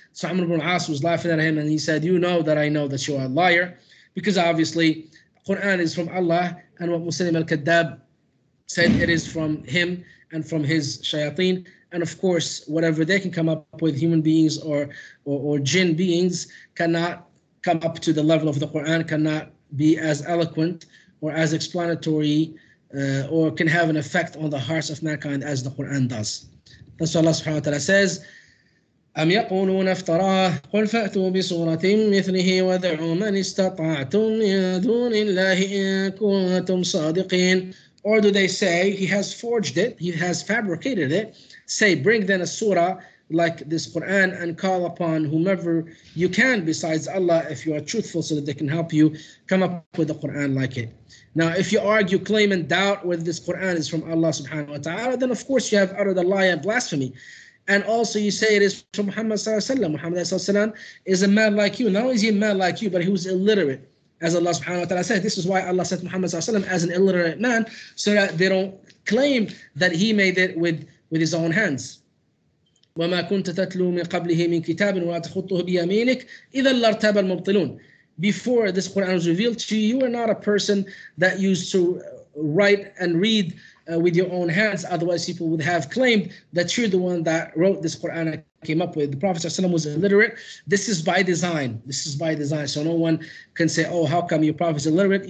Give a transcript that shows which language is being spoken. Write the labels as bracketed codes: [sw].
[en] So Amr ibn al-As was laughing at him, and he said, you know that I know that you are a liar, because obviously Quran is from Allah, and what Musaylim al-Kaddab said, it is from him and from his shayateen. And of course, whatever they can come up with, human beings or jinn beings, cannot come up to the level of the Quran, cannot be as eloquent or as explanatory or can have an effect on the hearts of mankind as the Quran does. That's what Allah subhanahu wa ta'ala says, [ar] أَمْ يَقُولُونَ افْتَرَاهُ قُلْ فَأْتُوا بِسُورَةٍ مِثْلِهِ وَدَعُوا مَنِ اسْتَطَعْتُمْ مِنْ دُونِ اللَّهِ إِن كُنْتُمْ صَادِقِينَ. [en] Or do they say, he has forged it, he has fabricated it, say, bring then a surah like this Quran and call upon whomever you can besides Allah if you are truthful, so that they can help you come up with a Quran like it. Now, if you argue, claim and doubt whether this Quran is from Allah subhanahu wa ta'ala, then of course you have uttered a lie and blasphemy. And also you say it is from Muhammad sallallahu alaihi wasallam. Muhammad sallallahu alaihi wasallam is a man like you. Not only is he a man like you, but he was illiterate, as Allah subhanahu wa ta'ala said. This is why Allah sent Muhammad sallallahu alaihi wasallam as an illiterate man, so that they don't claim that he made it with his own hands. [ar] وما كنت تتلو من قبله من كتاب ولا تخطه بيمينك إذا لارتاب المبطلون. [en] Before this Quran was revealed to you, you were not a person that used to write and read with your own hands. Otherwise, people would have claimed that you're the one that wrote this Quran and came up with. The Prophet ﷺ was illiterate. This is by design. This is by design. So no one can say, oh, how come your Prophet is illiterate?